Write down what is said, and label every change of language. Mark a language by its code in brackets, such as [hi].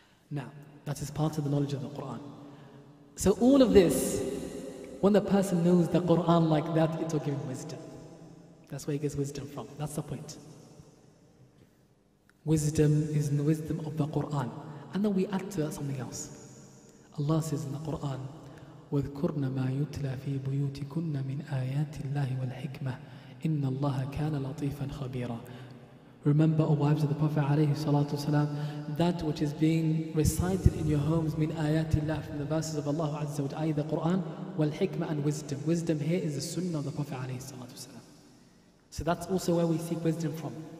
[en] Now, that is part of the knowledge of the Quran. So all of this, when the person knows the Quran like that, it will give him wisdom. That's where he gets wisdom from. That's the point. Wisdom is in the wisdom of the Quran. And then we add to that something else. Allah says in the Quran, [ar] وَذْكُرْنَ مَا يُتْلَى فِي بُيُوتِكُنَّ مِنْ آيَاتِ اللَّهِ وَالْحِكْمَةِ إِنَّ اللَّهَ كَانَ لَطِيفًا خَبِيرًا. [en] Remember, O wives of the Prophet alayhi salatu wasalam, that which is being recited in your homes, [ar] min ayatillah, [en] from the verses of Allah Azza wa Jalla, the Quran, [ar] wal hikmah, [en] and wisdom. Wisdom here is the sunnah of the Prophet alayhi salatu wasalam. So that's also where we seek wisdom from.